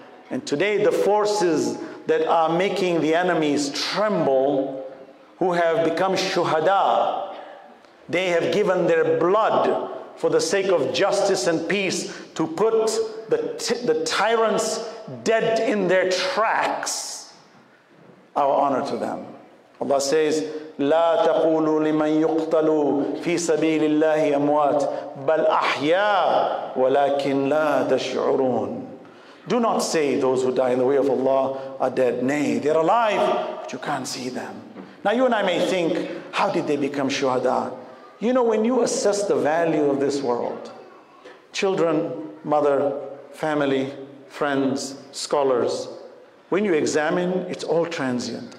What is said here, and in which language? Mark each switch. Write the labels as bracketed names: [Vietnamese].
[English] And today the forces that are making the enemies tremble, who have become shuhada, they have given their blood for the sake of justice and peace to put the tyrants dead in their tracks. Our honor to them. Allah says, [Arabic] لا تقولوا لمن يقتلوا في سبيل الله أموات بل أحيا ولكن لا تشعرون. [English] Do not say those who die in the way of Allah are dead. Nay, they're alive, but you can't see them. Now you and I may think, how did they become shuhada? You know, when you assess the value of this world, children, mother, family, friends, scholars, when you examine, it's all transient.